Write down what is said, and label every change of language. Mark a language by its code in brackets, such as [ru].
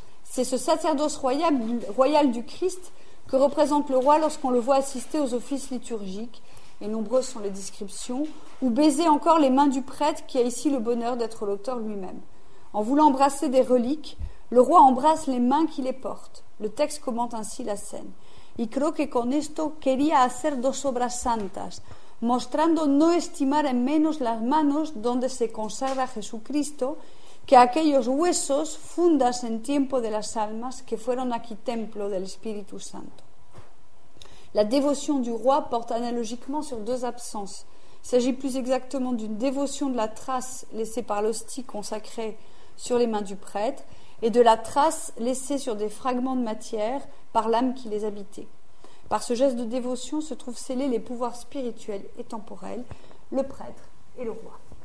[fr] C'est ce sacerdoce royal du Christ que représente le roi lorsqu'on le voit assister aux offices liturgiques, et nombreuses sont les descriptions, ou baiser encore les mains du prêtre qui a ici le bonheur d'être l'auteur lui-même. En voulant embrasser des reliques, le roi embrasse les mains qui les portent. Le texte commente ainsi la scène. [es] Y creo que con esto quería hacer dos obras santas, mostrando no estimar en menos las manos donde se consagra Jesucristo que aquellos huesos fundas en tiempo de las almas que fueron aquí templo del Espíritu Santo. [fr] La dévotion du roi porte analogiquement sur deux absences. Il s'agit plus exactement d'une dévotion de la trace laissée par l'hostie consacrée sur les mains du prêtre et de la trace laissée sur des fragments de matière par l'âme qui les habitait. Par ce geste de dévotion se trouvent scellés les pouvoirs spirituels et temporels, le prêtre et le roi.